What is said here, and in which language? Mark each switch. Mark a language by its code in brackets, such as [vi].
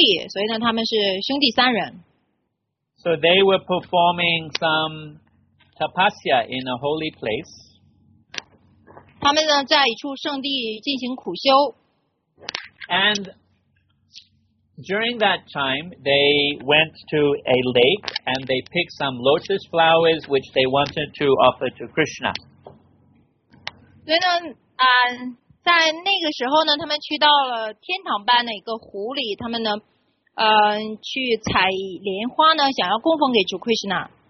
[zh] 他呢，就是有两个兄弟，所以呢，他们是兄弟三人。 [en] So they were performing some tapasya in a holy place. [zh] 他们呢，在一处圣地进行苦修。 [en] And during that time, they went to a lake and they picked some lotus flowers which they wanted to offer to Krishna. [zh] 所以呢，在那个时候呢，他们去到了天堂般的一个湖里，他们呢，去采莲花呢，想要供奉给主Krishna。